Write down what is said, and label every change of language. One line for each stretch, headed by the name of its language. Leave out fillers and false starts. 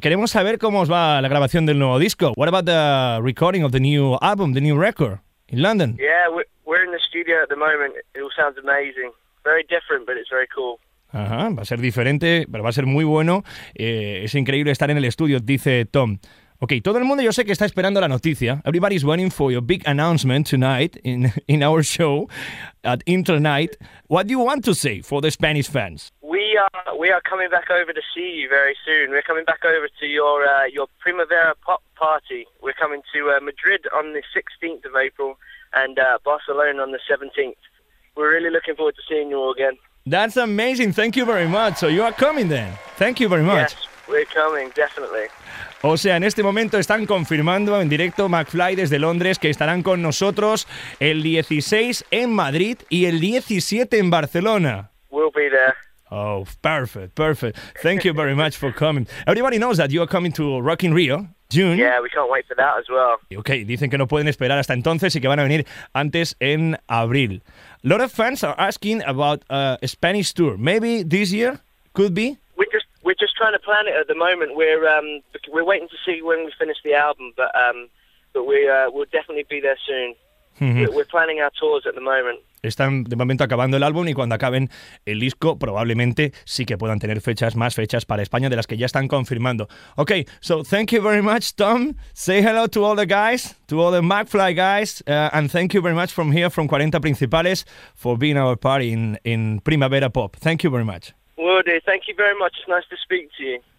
Spanish: Queremos saber cómo os va la grabación del nuevo disco.
English: What about the recording of the new album, the new record in London? Yeah, we're in the studio at the moment. It all sounds amazing. Very different, but it's very cool.
Spanish: Ajá, va a ser diferente, pero va a ser muy bueno. Es increíble estar en el estudio, dice Tom. Okay, todo el mundo yo sé que está esperando la noticia.
English: Everybody's waiting for your big announcement tonight in our show at Intronight. What do you want to say for the Spanish fans? We are coming back over to see you very soon. We're coming back over to your Primavera Pop Party. We're coming to Madrid on the 16th of April and Barcelona on the 17th. We're really looking forward to seeing you all again. That's amazing. Thank you very much. So you are coming then. Thank you very much. Yes, we're coming, definitely.
Spanish: O sea, en este momento están confirmando en directo McFly desde Londres que estarán con nosotros el 16 en Madrid y el 17 en Barcelona.
English: We'll be there. Oh, perfect, perfect. Thank you very much for coming. Everybody knows that you are coming to Rock in Rio, June. Yeah, we can't wait for that as well.
Spanish: Okay, dicen que no pueden esperar hasta entonces y que van a venir antes en abril.
English: A lot of fans are asking about a Spanish tour. Maybe this year? Could be? We're just trying to plan it at the moment. We're waiting to see when we finish the album, but we'll definitely be there soon. We're planning our tours at the moment.
Spanish: Están de momento acabando el álbum y cuando acaben el disco probablemente sí que puedan tener fechas, más fechas para España de las que ya están confirmando.
English: Okay, so thank you very much, Tom. Say hello to all the guys, to all the McFly guys, and thank you very much from here, from 40 Principales, for being our party in Primavera Pop. Thank you very much. Woody, thank you very much. It's nice to speak to you.